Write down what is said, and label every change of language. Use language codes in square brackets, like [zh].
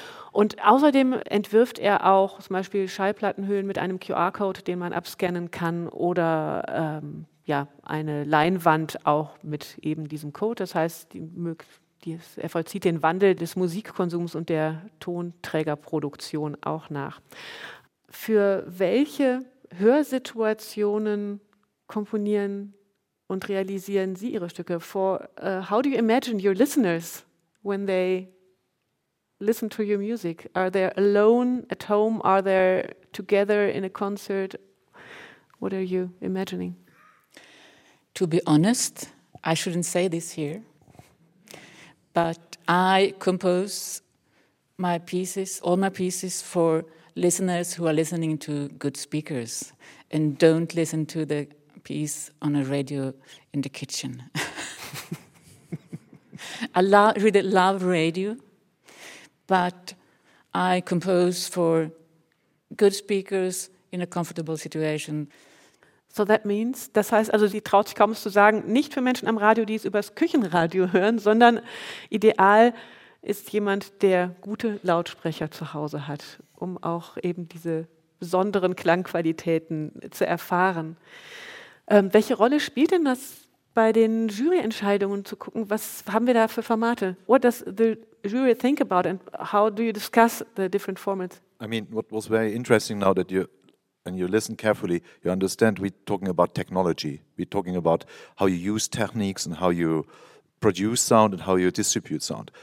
[de] Und außerdem entwirft er auch zum Beispiel Schallplattenhüllen mit einem QR-Code, den man abscannen kann, oder eine Leinwand auch mit eben diesem Code. Das heißt, er vollzieht den Wandel des Musikkonsums und der Tonträgerproduktion auch nach. Für welche Hörsituationen komponieren und realisieren Sie Ihre Stücke? [en] How do you imagine your listeners when they listen to your music? Are they alone at home? Are they together in a concert? What are you imagining? To be honest, I shouldn't say this here, but I compose all my pieces for listeners who are listening to good speakers and don't listen to the piece on a radio in the kitchen. I really love radio. But I compose for good speakers in a comfortable situation. So that means, [de] das heißt also, sie traut sich kaum es zu sagen, nicht für Menschen am Radio, die es übers Küchenradio hören, sondern ideal ist jemand, der gute Lautsprecher zu Hause hat, um auch eben diese besonderen Klangqualitäten zu erfahren. Welche Rolle spielt denn das bei den Juryentscheidungen zu gucken, was haben wir da für Formate? [en] What does the jury think about and how do you discuss the different formats? I mean, what was very interesting now that you listen carefully, you understand we're talking about technology. We're talking about how you use techniques and how you produce sound and how you distribute sound.